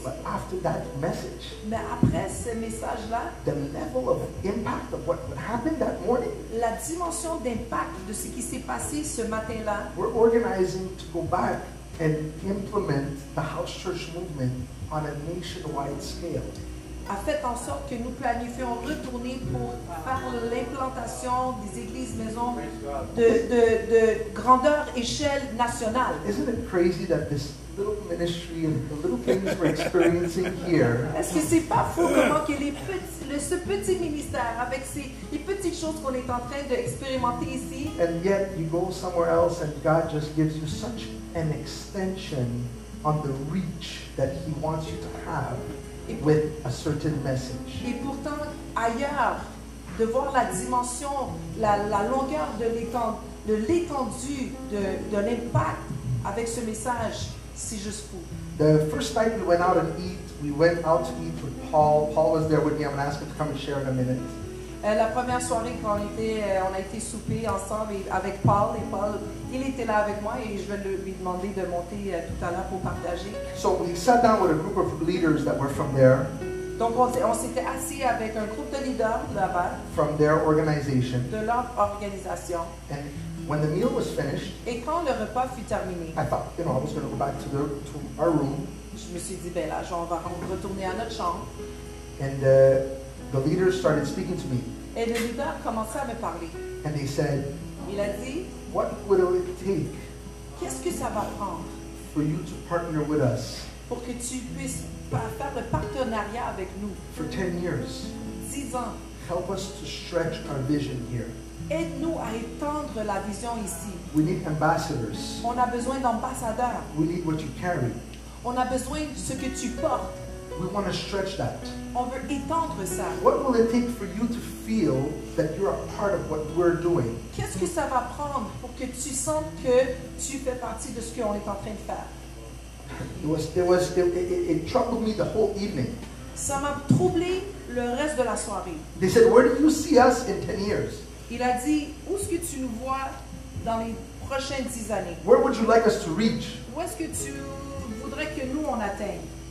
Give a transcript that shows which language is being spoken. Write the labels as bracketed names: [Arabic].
[English] But after that message, [French] mais après ce message-là, [English] the level of impact of what happened that morning, [French] la dimension d'impact de ce qui s'est passé ce matin-là, [English] we're organizing to go back and implement the house church movement on a nationwide scale. [French] A fait en sorte que nous planifions retourner pour faire l'implantation des églises maison de grandeur échelle nationale. [English] Isn't it crazy that this little ministry and the little things we're experiencing here? [French] Est-ce que c'est pas fou comment que ce petit ministère avec les petites choses qu'on est en train d'expérimenter ici? [English] And yet you go somewhere else and God just gives you such an extension on the reach that He wants you to have. With a certain message. [French] Et pourtant, ailleurs, de voir la dimension, la longueur de l'étendue de l'impact avec ce message, c'est juste fou. [English] The first night we went out and eat, we went out to eat with Paul. Paul was there with me. I'm going to ask him to come and share in a minute. [French] La première soirée quand on a été souper ensemble avec Paul, et Paul, il était là avec moi et je vais lui demander de monter tout à l'heure pour partager. [English] So we sat down with a group of leaders that were from there. [French] Donc on s'était assis avec un groupe de leaders là-bas. [English] From their organization. [French] De leur organisation. [English] And when the meal was finished. [French] Et quand le repas fut terminé. [English] I thought, you know, I was going to go back to our room. [French] Je me suis dit, ben là, on va retourner à notre chambre. [English] And the leaders started speaking to me. [French] Et le leader commençait à me parler. [English] And they said. [French] Il a dit. [English] What would it take? [French] Qu'est-ce que ça va prendre? [English] For you to partner with us. [French] Pour que tu puisses faire le partenariat avec nous. [English] For 10 years. [French] 10 ans. [English] Help us to stretch our vision here. [French] Aide-nous à étendre la vision ici. [English] We need ambassadors. [French] On a besoin d'ambassadeurs. [English] We need what you carry. [French] On a besoin de ce que tu portes. [English] We want to stretch that. [French] On veut étendre ça. [English] What will it take for you to feel that you're a part of what we're doing? [French] Qu'est-ce que ça va prendre pour que tu sentes que tu fais partie de ce qu'on est en train de faire? [English] It troubled me the whole evening. [French] Ça m'a troublé le reste de la soirée. [English] They said, where do you see us in 10 years? [French] Il a dit, où est-ce que tu nous vois dans les prochaines 10 années? [English] Where would you like us to reach? [French] Où est-ce que tu voudrais que nous on atteigne?